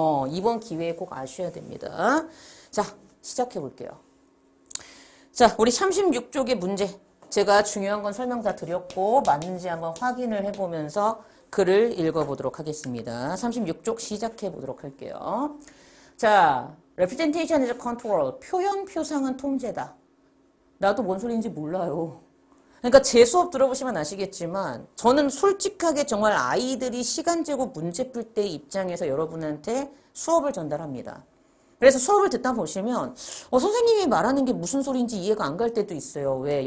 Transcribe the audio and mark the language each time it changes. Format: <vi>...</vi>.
<ko>이번 기회에 꼭 아셔야 됩니다. 자, 시작해 볼게요. 자, 우리 36쪽의 문제. 제가 중요한 건 설명 다 드렸고, 맞는지 한번 확인을 해 보면서 글을 읽어 보도록 하겠습니다. 36쪽 시작해 보도록 할게요.</ko> <en>자, Representation is a control.</en> <ko>표현 표상은 통제다. 나도 뭔 소리인지 몰라요. 그러니까 제 수업 들어보시면 아시겠지만, 저는 솔직하게 정말 아이들이 시간 재고 문제 풀때 입장에서 여러분한테 수업을 전달합니다. 그래서 수업을 듣다 보시면, 선생님이 말하는 게 무슨 소리인지 이해가 안갈 때도 있어요. 왜?</ko>